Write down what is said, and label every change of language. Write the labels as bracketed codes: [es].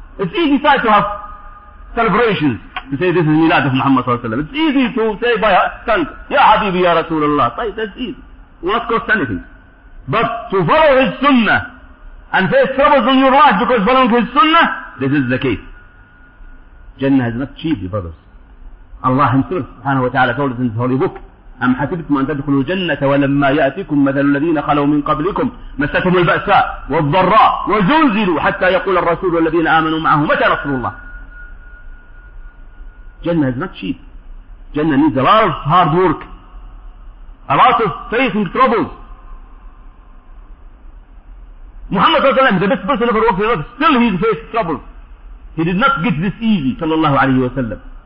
[en] It's easy side to have celebrations to say this is Milad of Muhammad sallallahu alaihi wasallam. It's easy to say by tongue, Ya Habibi Ya Rasulullah. That's easy. It won't cost anything. But to follow his sunnah and face troubles in your life because following his sunnah, this is the case. Jannah is not cheap, you brothers. Allah himself subhanahu wa ta'ala told us in his holy book, [ar] أَمْ حَسِبْتُمْ أَنْ تَدْخُلُوا الْجَنَّةَ وَلَمَّا يَأْتِكُمْ مَثَلُ الَّذِينَ خَلَوْا مِنْ قَبْلِكُمْ مَسَّتْهُمُ الْبَأْسَاءُ وَالضَّرَّاءُ وَزُلْزِلُوا حَتَّى يَقُولَ الرَّسُولُ وَالَّذِينَ آمَنُوا مَعَهُ مَتَى نَصْرُ اللَّهِ. [en] Jannah is not cheap. Jannah needs a lot of hard work, a lot of facing troubles. Muhammad [ar] صلى الله عليه وسلم, [en] the best person ever walked the earth, still he faced troubles. He did not get this easy, صلى الله عليه وسلم.